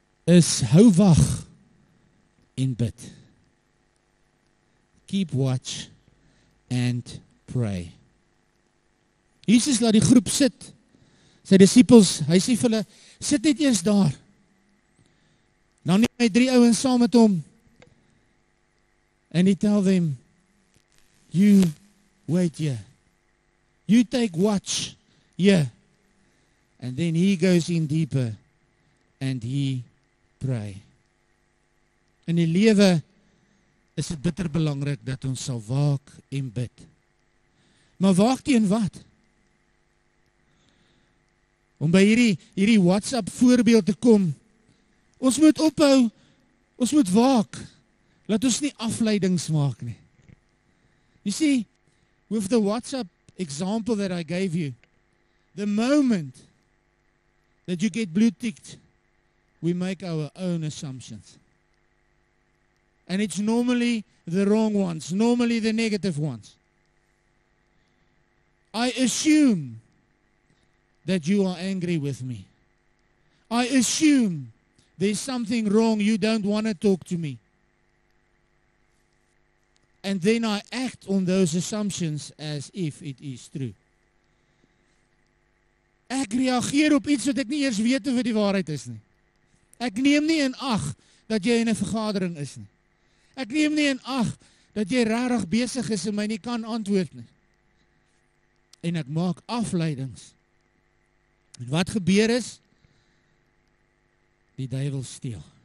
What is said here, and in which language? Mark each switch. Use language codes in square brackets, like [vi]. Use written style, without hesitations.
[af] Is hou wag en bid. [en] Keep watch and pray. [af] Jesus laat die groep sit, sy disciples, hy sê vir hulle, sit net eens daar. Dan neem hy 3 ouens saam met hom, [en] and he tell them, you wait here, you take watch here, and then he goes in deeper, and he pray. [af] In die lewe is het bitter belangrik dat ons sal waak en bid. Maar waak teen wat? Om by hierdie WhatsApp voorbeeld te kom, ons moet ophou, ons moet waak, laat ons nie afleidings maak nie. [en] You see, with the WhatsApp example that I gave you, the moment that you get blue-ticked, we make our own assumptions. And it's normally the wrong ones, normally the negative ones. I assume that you are angry with me. I assume there's something wrong, you don't want to talk to me. And then I act on those assumptions as if it is true. [af] Ek reageer op iets wat ek nie eers weet of dit die waarheid is nie. Ek neem nie in ag dat jy in 'n vergadering is nie. Ek neem nie in ag dat jy regtig besig is en my nie kan antwoord nie. En ek maak afleidings. En wat gebeur is, die duivel steel.